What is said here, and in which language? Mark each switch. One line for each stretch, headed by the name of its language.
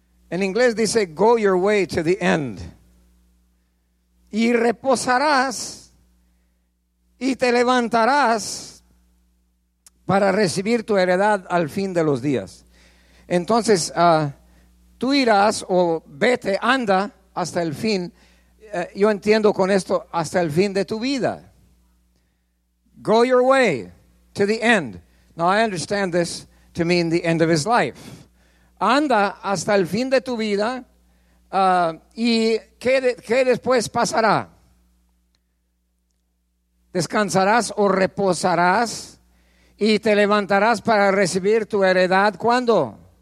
Spanish: En inglés dice,
English: go your way to the end.
Spanish: Y reposarás y te levantarás para recibir tu heredad al fin de los días. Entonces, tú irás o vete, anda hasta el fin. Yo entiendo con esto hasta el fin de tu vida.
English: Go your way to the end. Now I understand this to mean the end of his life.
Spanish: Anda hasta el fin de tu vida, y ¿qué después pasará? Descansarás o reposarás y te levantarás para recibir tu heredad. ¿Cuándo?